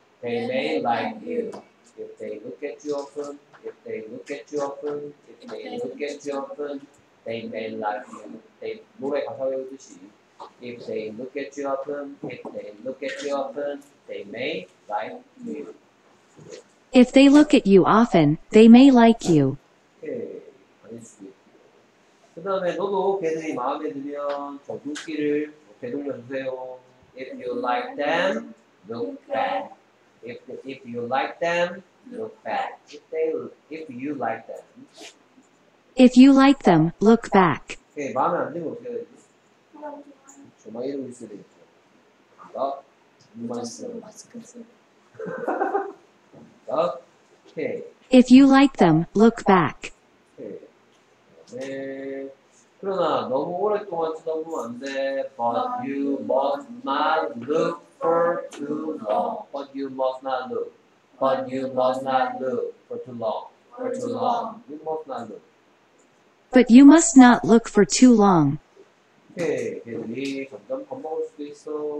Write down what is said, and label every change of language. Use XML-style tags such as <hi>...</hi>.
<en>They may like you. If they look at you often if they look at you often if they look at you often they may like you. They</en> <ko>노래 가사에 오듯이</ko> <en>If they look at you often, if they look at you often, they may like you. If they look at you often, they may like you.</en> <ko>오케이, 그 다음에 너도 걔들이 마음에 들면 저 눈길을 되돌려 주세요.</ko> <en>If you like them, look back. If you like them, look back. If they if you like them. If you like them, look back.</en> <ko>오케이, 마음에 안 들면 어떻게 해야 되지? 정말 이러고 있어야 되겠죠. 자, 마스크. 오케이.</ko> <en>If you like them, look back.</en> <ko>오케이. 그러나 너무 오랫동안 쳐다보면 안 돼.</ko> <en>But you must not look for too long. But you must not look. But you must not look for too long. For too long. You must not look. But you must not look for too long.</en> <ko>오케이, 걔들이 점점 겁먹을 수도 있어.</ko>